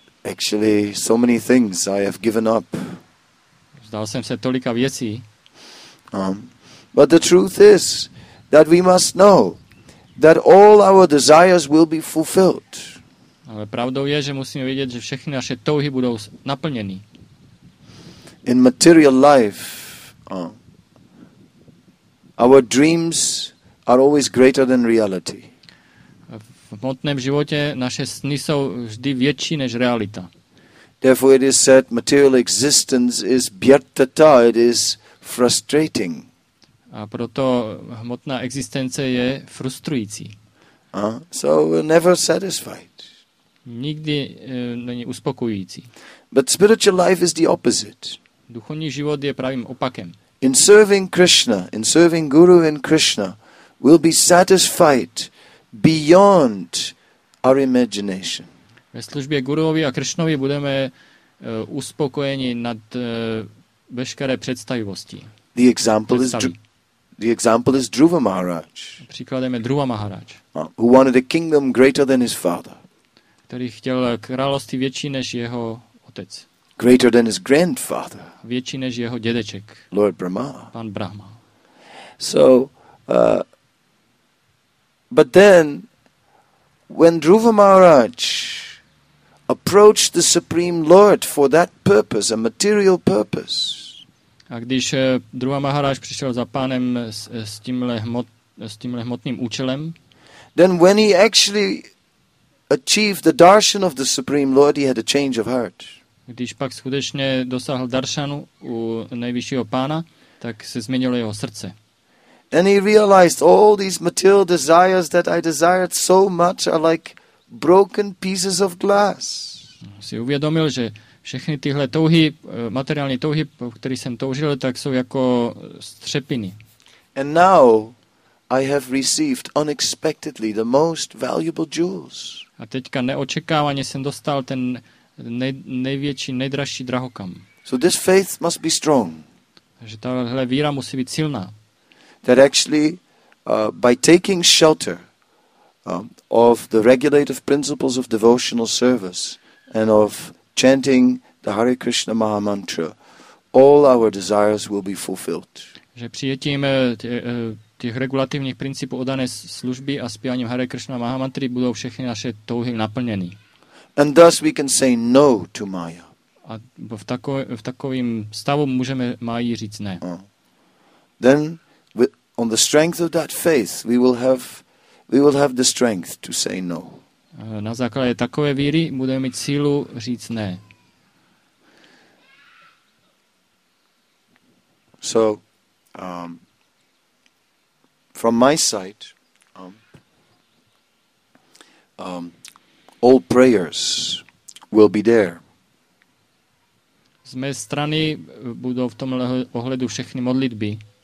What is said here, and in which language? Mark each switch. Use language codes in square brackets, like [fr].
[en] Actually, so many things I have given up. [cs] Vzdal jsem se tolika věcí. [en] But the truth is that we must know that all our desires will be fulfilled. [cs] Ale pravdou je, že musíme vidieť, že všechny naše touhy budú naplnené. [en] In material life, our dreams are always greater than reality. [sk] V hmotnom živote naše sny sú vždy väčšie než realita. [en] Therefore it is said material existence is byatata, it is frustrating. [cs] A proto hmotná existence je frustrující. [en] So we're never satisfied. [cs] Nikdy není uspokojující. [en] But spiritual life is the opposite. [cs] Duchovní život je pravým opakem. [en] In serving Krishna, in serving Guru and Krishna, we'll be satisfied beyond our imagination. [cs] Ve službě Guruovi a Krishnovi budeme uspokojeni nad veškeré představivosti. [en] The example is Dhruva Maharaj. [cs] Příkladem je Dhruva Maharaj. [en] Who wanted a kingdom greater than his father. [cs] Který chtěl království větší než jeho otec. [en] Greater than his grandfather. [cs] Větší než jeho dědeček. [en] Lord Brahma. [cs] Pan Brahma. [en] But then when Dhruva Maharaj approached the Supreme Lord for that purpose, a material purpose. [cs] A když Dhruva Maharaj přišel za pánem s tímhle hmotným účelem, [en] then when he actually achieved the darshan of the Supreme Lord, he had a change of heart. [cs] Když pak skutečně dosáhl darshanu u nejvyššího pána, tak se změnilo jeho srdce. [en] And he realized all these material desires that I desired so much are like broken pieces of glass. [cs] Si uvědomil, že všechny tyhle touhy, materiální touhy, po kterých jsem toužil, tak jsou jako střepiny. [en] And now I have received unexpectedly the most valuable jewels. [cs] A teďka neočekávaně jsem dostal ten největší, nejdražší drahokam. [en] So this faith must be strong. [cs] Že tahle víra musí být silná. [en] That actually by taking shelter of the regulative principles of devotional service and of chanting the Hare Krishna Maha Mantra, all our desires will be fulfilled. [cs] Že přijetím těch regulativních principů oddané služby a zpíváním Hare Krishna Maha Mantry budou všechny naše touhy naplněny. [en] And thus we can say no to Maya. [cs] A v takovým stavu můžeme Mayi říct ne. [en] Then on the strength of that faith we will have the strength to say no. [cs] Na základě takové víry budeme mít sílu říct ne. [en] So from my side all prayers will be there. [cs] Z mé strany budou v tomhle ohledu všechny modlitby.